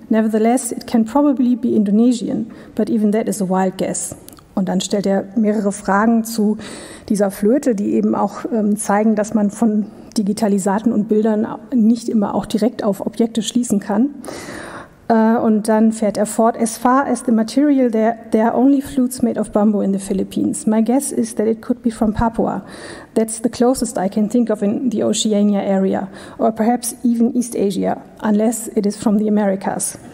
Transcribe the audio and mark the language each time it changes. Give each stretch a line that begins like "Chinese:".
English: Nevertheless, it can probably be Indonesian, but even that is a wild guess."
German: Und dann stellt er mehrere Fragen zu dieser Flöte, die eben auch zeigen, dass man von Digitalisaten und Bildern nicht immer auch direkt auf Objekte schließen kann. Und dann fährt er fort:
English: "As far as the material, there are only flutes made of bamboo in the Philippines. My guess is that it could be from Papua. That's the closest I can think of in the Oceania area, or perhaps even East Asia, unless it is from the Americas.